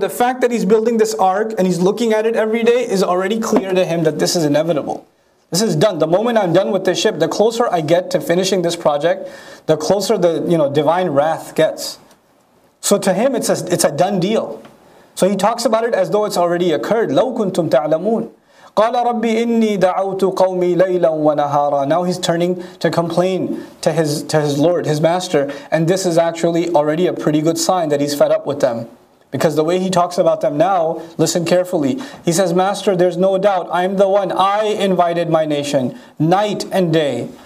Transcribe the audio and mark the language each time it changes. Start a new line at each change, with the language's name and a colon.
English: The fact that he's building this ark and he's looking at it every day is already clear to him that this is inevitable. This is done. The moment I'm done with this ship, the closer I get to finishing this project, the closer the, you know, divine wrath gets. So to him, it's a done deal. So he talks about it as though it's already occurred.
Arabic: لو كنتم تعلمون. قال ربي إني دعوت قومي ليلا ونهارا.
English: Now he's turning to complain to his Lord, his master, and this is actually already a pretty good sign that he's fed up with them, because the way he talks about them now, listen carefully. He says, "Master, there's no doubt. I'm the one. I invited my nation, night and day."